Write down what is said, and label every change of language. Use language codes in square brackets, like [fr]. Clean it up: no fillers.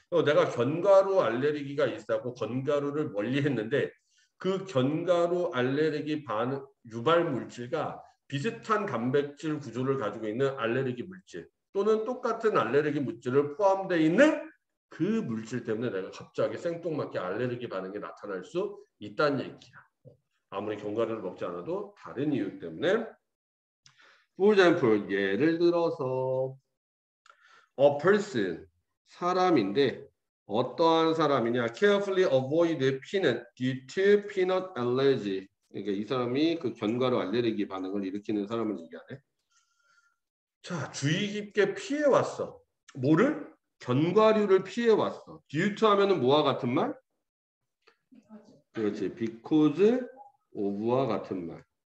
[ko] 내가 견과류 알레르기가 있다고 견과류를 멀리 했는데 그 견과류 알레르기 반응 유발 물질과 비슷한 단백질 구조를 가지고 있는 알레르기 물질 또는 똑같은 알레르기 물질을 포함되어 있는 그 물질 때문에 내가 갑자기 생뚱맞게 알레르기 반응이 나타날 수 있다는 얘기야. 아무리 견과류를 먹지 않아도 다른 이유 때문에. [en] For example, [ko] 예를 들어서 [en] a person [ko] 사람인데 어떠한 사람이냐? [en] Carefully avoid peanut due to peanut allergy. [ko] 그러니까 이 사람이 그 견과류 알레르기 반응을 일으키는 사람을 얘기하네. 자, 주의 깊게 피해 왔어. 뭐를? 견과류를 피해 왔어. Due to 하면은 뭐와 같은 말? 그렇지. Because of와 같은 말.